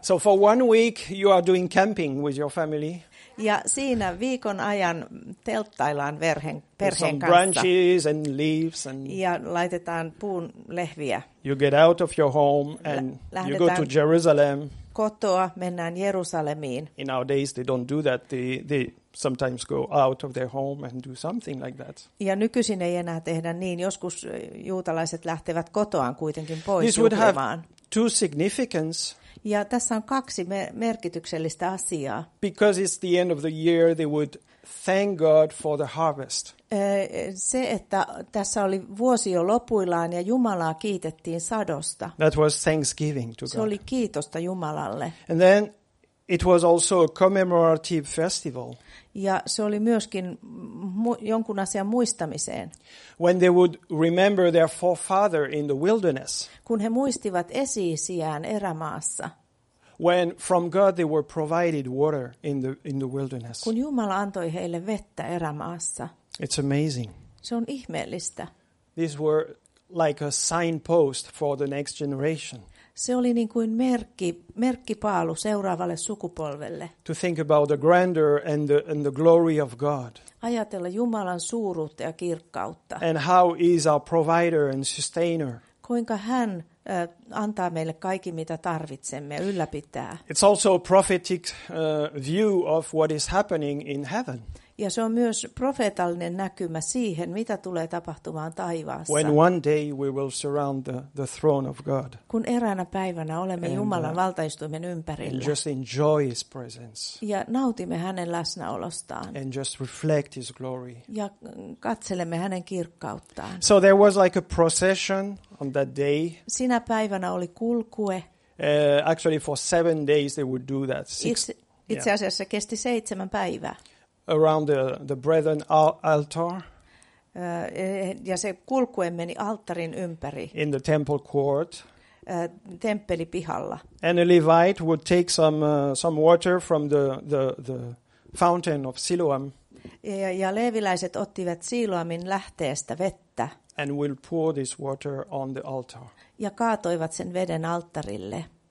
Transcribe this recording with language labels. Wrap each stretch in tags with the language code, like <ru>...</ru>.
<en>So for one week you are doing camping with your family.</en> <fi>Ja siinä viikon ajan telttaillaan perheen kanssa.</fi> <en>Some branches and leaves and</en> <fi>ja laitetaan puun lehviä.</fi> <en>You get out of your home and you go to Jerusalem.</en> <fi>Kotoa mennään Jerusalemiin.</fi> <en>In our days they don't do that. They sometimes go out of their home and do something like that.</en> <fi>Ja nykyisin ei enää tehdä niin. Joskus juutalaiset lähtevät kotoaan kuitenkin pois</fi> <en>this</en> <fi>juhlimaan.</fi> <en>Would have two significance.</en> <fi>Ja tässä on kaksi merkityksellistä asiaa.</fi> <en>Because it's the end of the year, they would thank God for the harvest.</en> <fi>Se, että tässä oli vuosi jo lopuillaan ja Jumalaa kiitettiin sadosta.</fi> <en>That was thanksgiving to God.</en> <fi>Se oli kiitosta Jumalalle.</fi> <en>And then it was also a commemorative festival.</en> <fi>Ja se oli myöskin jonkun asian muistamiseen.</fi> <en>When they would remember their forefather in the wilderness.</en> <fi>Kun he muistivat esi-isiään erämaassa.</fi> <en>When from God they were provided water in the wilderness.</en> <fi>Kun Jumala antoi heille vettä erämaassa.</fi> <en>It's amazing.</en> <fi>Se on ihmeellistä.</fi> <en>These were like a signpost for the next generation.</en> <fi>Se oli niin kuin merkkipaalu seuraavalle sukupolvelle.</fi> <en>To think about the grandeur and the glory of God.</en> <fi>Ajatella Jumalan suuruutta ja kirkkautta.</fi> <en>And how he is our provider and sustainer.</en> <fi>Kuinka hän antaa meille kaikki mitä tarvitsemme ja ylläpitää.</fi> <en>It's also a prophetic view of what is happening in heaven.</en> <fi>Ja se on myös profeetallinen näkymä siihen, mitä tulee tapahtumaan taivaassa.</fi> <en>When one day we will surround the throne of God.</en> <fi>Kun eräänä päivänä olemme Jumalan valtaistuimen ympärillä.</fi> <en>And just enjoy his presence.</en> <fi>Ja nautimme hänen läsnäolostaan.</fi> <en>And just reflect his glory.</en> <fi>Ja katselemme hänen kirkkauttaan.</fi> <en>So there was like a procession on that day.</en> <fi>Sinä päivänä oli kulkue.</fi> <en>Actually for 7 days they would do that.</en> <fi>Itse asiassa kesti 7 päivää.</fi> <en>Around the brethren altar.</en> <fi>Ja se kulkue meni alttarin ympäri.</fi> <en>In the temple court.</en> <fi>Temppelipihalla.</fi> <en>And a Levite would take some water from the fountain of Siloam.</en> <fi>Ja leeviläiset ottivat Siloamin lähteestä vettä.</fi> <en>And will pour this water on the altar.</en> <fi>Ja kaatoivat sen veden alttarille.</fi>